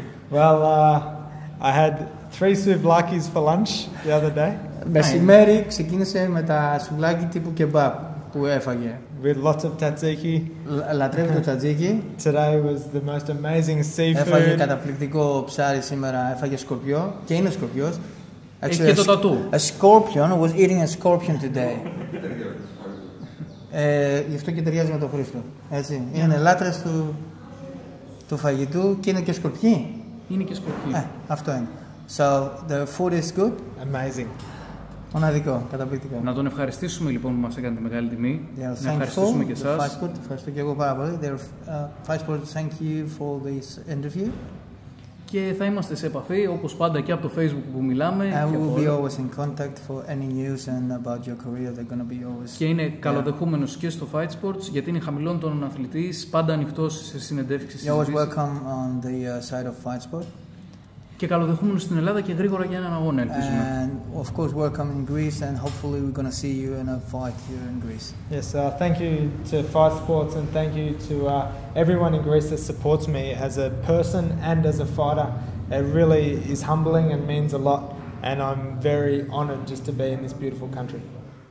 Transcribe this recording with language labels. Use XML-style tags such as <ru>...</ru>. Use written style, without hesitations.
<en>Well, I had 3 souvlakis for lunch the other day.</en> <el>Μεσημέρι ξεκίνησε με τα σουβλάκι τύπου κεμπάπ που έφαγε.</el> <en>With lots of tzatziki.</en> <el>Λατρεύει το τζατζίκι.</el> <en>Today was the most amazing seafood.</en> <el>Έφαγε καταπληκτικό ψάρι σήμερα. Έφαγε σκορπιό και είναι σκορπιός. Έχει και το τατού.</el> <en>A scorpion was eating a scorpion today.</en> <el>γι' αυτό και ταιριάζει με τον Χρήστο. Έτσι.</el> <en>Yeah.</en> <el>Είναι λάτρες του φαγητού και είναι και σκορπιοί. Είναι και σκορπιοί. Αυτό είναι.</el> <en>So the food is good. Amazing.</en> <el>Μοναδικό, καταπληκτικό. Να τον ευχαριστήσουμε λοιπόν που μας έκανε τη μεγάλη τιμή. Να ευχαριστήσουμε και εσάς. Fightsport, ευχαριστώ και εγώ πάρα πολύ.</el> <en>Fightsport, thank you for this interview.</en> <el>Και θα είμαστε σε επαφή όπως πάντα και από το Facebook που μιλάμε.</el> <en>I will be always in contact for any news and about your career. They're gonna be always.</en> <el>Και είναι καλοδεχούμενος και στο Fightsports γιατί είναι χαμηλών τόνων αθλητής, πάντα ανοιχτός σε συνεντεύξεις.</el> <en>You're always welcome on the side of Fightsport.</en> <el>Και καλοδεχούμενος στην Ελλάδα και γρήγορα για έναν αγώνα, ελπίζουμε.</el> <en>And of course welcome in Greece and hopefully we're gonna see you in a fight here in Greece. Yes, thank you to Fightsports and thank you to everyone in Greece that supports me as a person and as a fighter. It really is humbling and means a lot and I'm very honored just to be in this beautiful country.</en>